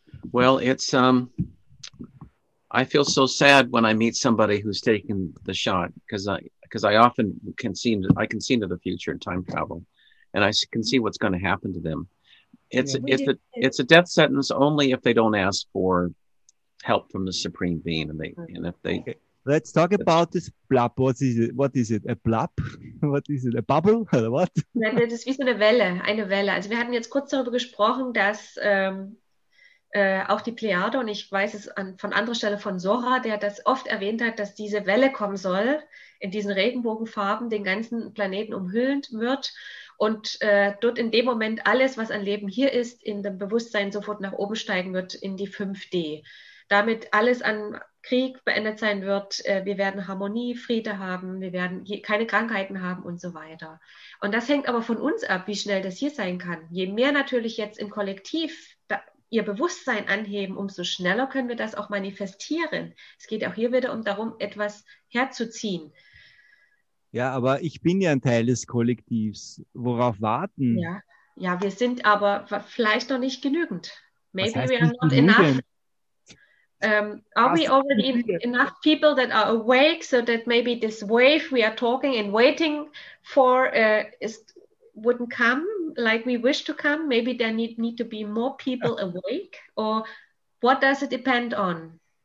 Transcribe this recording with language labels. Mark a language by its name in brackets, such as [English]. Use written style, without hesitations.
[English] Well, it's, I feel so sad when I meet somebody who's taken the shot, because I can see into the future in time travel. And I can see what's going to happen to them. It's a death sentence only if they don't ask for help from the Supreme Being. Okay. Let's talk about this blob. What is it? What is it? A blob? What is it? A bubble? Or what? [German] Das ist wie so eine Welle. Also wir hatten jetzt kurz darüber gesprochen, dass auch die Plejade, und ich weiß es von anderer Stelle von Sora, der das oft erwähnt hat, dass diese Welle kommen soll, in diesen Regenbogenfarben den ganzen Planeten umhüllend wird. Und dort in dem Moment alles, was an Leben hier ist, in dem Bewusstsein sofort nach oben steigen wird, in die 5D. Damit alles an Krieg beendet sein wird. Wir werden Harmonie, Friede haben, wir werden keine Krankheiten haben und so weiter. Und das hängt aber von uns ab, wie schnell das hier sein kann. Je mehr natürlich jetzt im Kollektiv ihr Bewusstsein anheben, umso schneller können wir das auch manifestieren. Es geht auch hier wieder darum, etwas herzuziehen. Ja, aber ich bin ja ein Teil des Kollektivs. Worauf warten? Ja, wir sind aber vielleicht noch nicht genügend. [English] Maybe we are not enough. Are we already enough people that are awake so that maybe this wave we are talking and waiting for wouldn't come like we wish to come? Maybe there need to be more people awake? Or what does it depend on?